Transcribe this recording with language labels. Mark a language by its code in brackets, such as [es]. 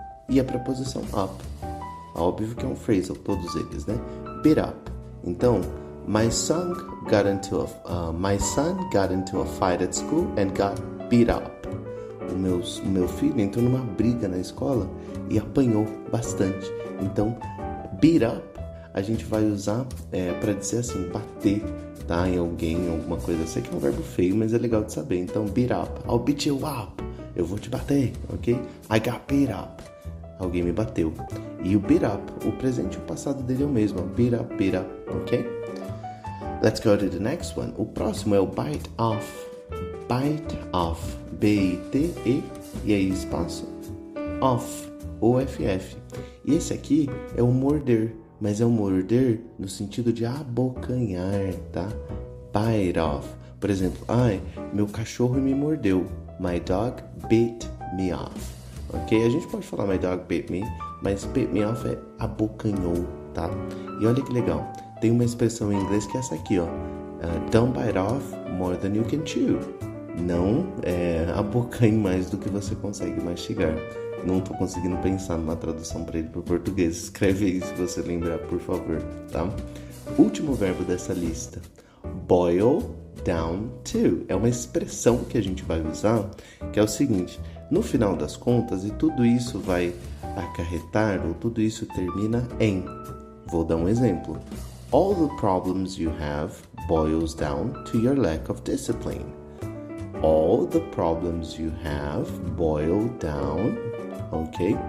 [pt] E a preposição up. Óbvio que é um phrasal, todos eles, né? [en] Beat up. Então, my son got into a fight at school and got beat up. [pt] O meu filho entrou numa briga na escola e apanhou bastante. Então, beat up a gente vai usar para dizer assim, bater, tá, em alguém, alguma coisa. Eu sei que é um verbo feio, mas é legal de saber. [en] Então, beat up, I'll beat you up. [pt] Eu vou te bater, ok? [en] I got beat up. [pt] Alguém me bateu. E o beat up, o presente e o passado dele é o mesmo. [en] Beat up, ok? Let's go to the next one. [pt] O próximo é o bite off. Bite off. BITE. E aí, espaço? Off. OFF. E esse aqui é o morder. Mas é o morder no sentido de abocanhar, tá? Bite off. Por exemplo, ai, meu cachorro me mordeu. [en] My dog bit me off. [pt] Ok? A gente pode falar [en] my dog bit me, [pt] mas bit me off é abocanhou, tá? E olha que legal, tem uma expressão em inglês que é essa aqui, ó. [en] Don't bite off more than you can chew. [pt] Não, abocanhe mais do que você consegue mastigar. Não tô conseguindo pensar numa tradução para ele pro português. Escreve aí se você lembrar, por favor, tá? Último verbo dessa lista. Boil down to. É uma expressão que a gente vai usar, que é o seguinte: no final das contas, e tudo isso vai acarretar, ou tudo isso termina em. Vou dar um exemplo. [en] All the problems you have boils down to your lack of discipline. all the problems you have boiled down, ok?